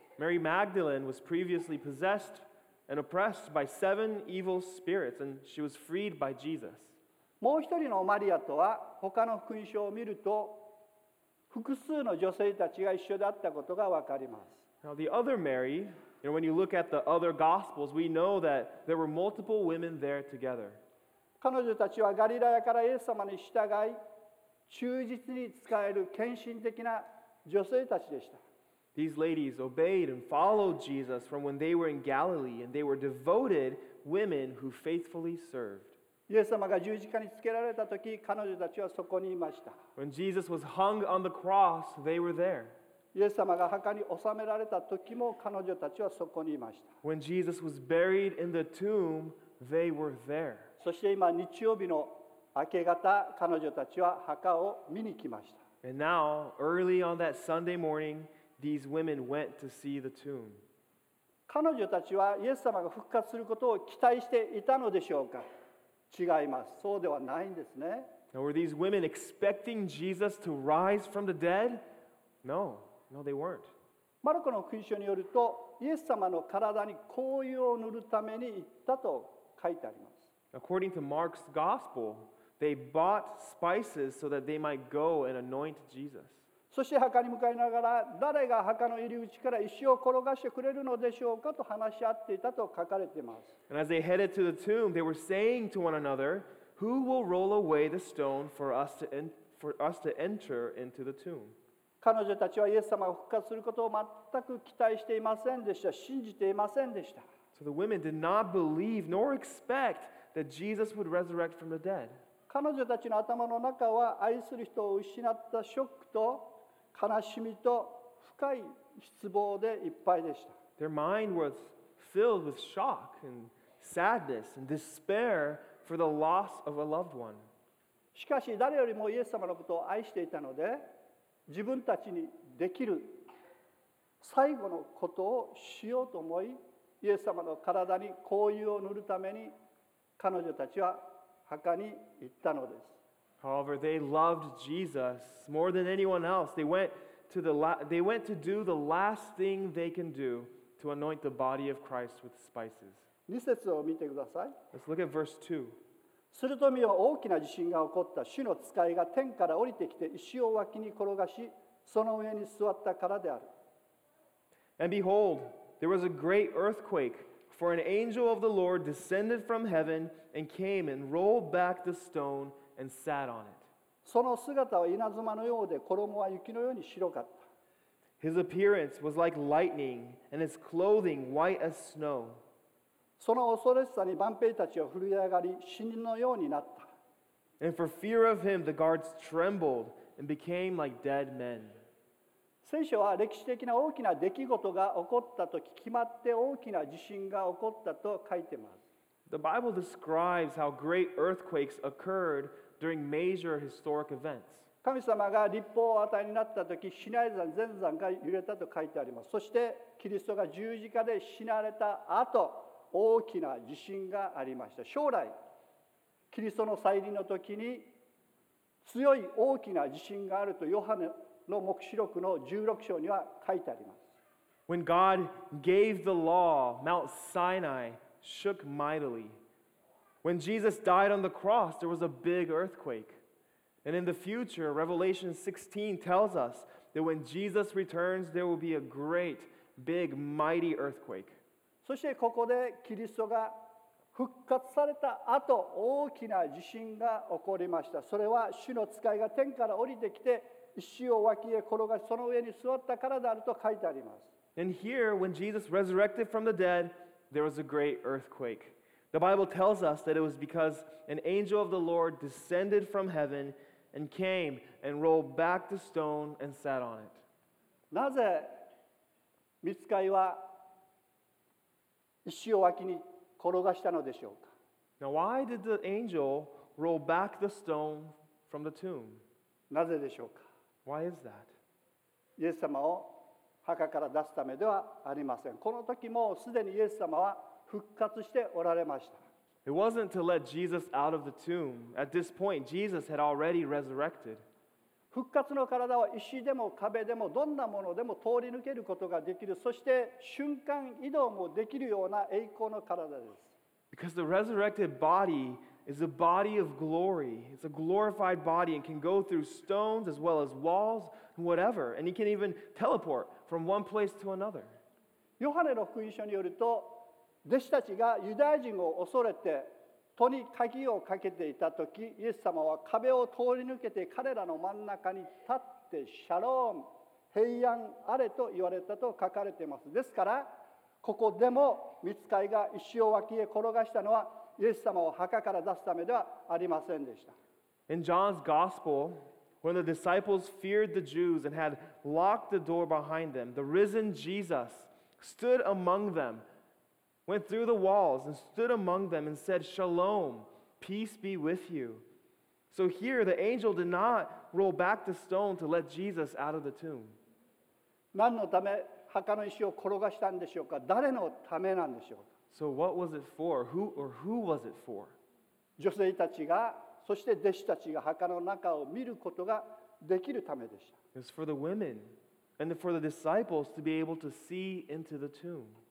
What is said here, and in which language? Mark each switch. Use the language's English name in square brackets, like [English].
[English] Mary Magdalene was previously possessed and oppressed by 7 evil spirits, and she was freed by Jesus. [Japanese] もう一人のマリアとは、他の福音書を見ると、複数の女性たちが一緒だったことがわかります。 [English] Now the other Mary, you know, when you look at the other Gospels, we know that there were multiple women there together. [Japanese] 彼女たちはガリラヤからイエス様に従い、忠実に仕える献身的な女性たちでした。 [English] These ladies obeyed and followed Jesus from when they were in Galilee, and they were devoted women who faithfully served. [Japanese] イエス様が十字架につけられた時、彼女たちはそこにいました。 [English] When Jesus was hung on the cross, they were there. [Japanese] イエス様が墓に納められた時も彼女たちはそこにいました。 [English] When Jesus was buried in the tomb, they were there. [Japanese] そして今日曜日の明け方、彼女たちは墓を見に来ました。 [English] And now, early on that Sunday morning,These women went to see the tomb. [Japanese] 彼女たちはイエス様が復活することを期待していたのでしょうか？違います。そうではないんですね。 [English] Now, were these women expecting Jesus to rise from the dead? No, no, they weren't. [Japanese] マルコの福音書によると、イエス様の体に香油を塗るために行ったと書いてあります。 [English] According to Mark's gospel, they bought spices so that they might go and anoint Jesus. [Japanese] そして墓に向かいながら誰が墓の入り口から石を転がしてくれるのでしょうかと話し合っていたと書かれています。 [English] And as they headed to the tomb, they were saying to one another, Who will roll away the stone for us to enter into the tomb? [Japanese] 彼女たちはイエス様が復活することを全く期待していませんでした。信じていませんでした。 [English] So the women did not believe nor expect that Jesus would resurrect from the dead. [Japanese] 彼女たちの頭の中は愛する人を失ったショックと悲しみと深い失望でいっぱいでした。 [English] Their mind was filled with shock and sadness and despair for the loss of a loved one. [Japanese] しかし誰よりもイエス様のことを愛していたので、自分たちにできる最後のことをしようと思い、イエス様の体に香油を塗るために彼女たちは墓に行ったのです。 [English] However, they loved Jesus more than anyone else. They went to do the last thing they can do to anoint the body of Christ with spices. [Japanese] 2節を見てください。 [English] Let's look at verse 2. [Japanese] すると見よ、大きな地震が起こった。主の使いが天から降りてきて、石を脇に転がし、その上に座ったからである。 [English] And behold, there was a great earthquake, for an angel of the Lord descended from heaven and came and rolled back the stone. And sat on it. [Japanese] その姿は稲妻のようで、衣は雪のように白かった。 [English] His appearance was like lightning, and his clothing white as snow. [Japanese] その恐ろしさに万兵たちは震え上がり、死人のようになった。 [English] And for fear of him, the guards trembled and became like dead men. [Japanese] 聖書は歴史的な大きな出来事が起こったと決まって大きな地震が起こったと書いてます。 [English] The Bible describes how great earthquakes occurred during major historic events. [Japanese] 神様が律法を与えになった時、シナイ山全山が揺れたと書いてあります。そしてキリストが十字架で死なれた後、大きな地震がありました。将来、キリストの再臨の時に強い大きな地震があるとヨハネの黙示録の16章には書いてあります。 [English] When God gave the law, Mount Sinai,Shook mightily. When Jesus died on the cross, there was a big earthquake. And in the future, Revelation 16 tells us that when Jesus returns, there will be a great, big, mighty earthquake. [Japanese] そしてここでキリストが復活された後、大きな地震が起こりました。それは主の使いが天から降りてきて、石を脇へ転がし、その上に座ったからであると書いてあります。 [English] And here, when Jesus resurrected from the dead,There was a great earthquake. The Bible tells us that it was because an angel of the Lord descended from heaven and came and rolled back the stone and sat on it. [Japanese] なぜ御使いは石を脇に転がしたのでしょうか? [English] Now, why did the angel roll back the stone from the tomb? [Japanese] なぜでしょうか? [English] Why is that? [Japanese] イエス様を墓から出すためではありません。この時もすでにイエス様は復活しておられました。 [English] It wasn't to let Jesus out of the tomb. At this point, Jesus had already resurrected. [Japanese] 復活の体は石でも壁でもどんなものでも通り抜けることができる。そして瞬間移動もできるような栄光の体です。 [English] Because the resurrected body is a body of glory. It's a glorified body and can go through stones as well as walls and whatever. And he can even teleport. From one place to another. [Japanese] ヨハネの福音書によると、弟子たちがユダヤ人を恐れて、戸に鍵をかけていたとき、イエス様は壁を通り抜けて彼らの真ん中に立って、シャローム、平安あれと言われたと書かれています。ですから、ここでも御使いが石を脇へ転がしたのは、イエス様を墓から出すためではありませんでした。 [English] In John's Gospel,When the disciples feared the Jews and had locked the door behind them, the risen Jesus stood among them, went through the walls and stood among them and said, Shalom, peace be with you. So here the angel did not roll back the stone to let Jesus out of the tomb. [Japanese] 何のため墓の石を転がしたんでしょうか?誰のためなんでしょうか? [English] So what was it for? Who was it for? [Japanese] 女性たちがそして弟子たちが墓の中を見ることができるためでした。 [English] It's for the women and for the disciples to be able to see into the tomb.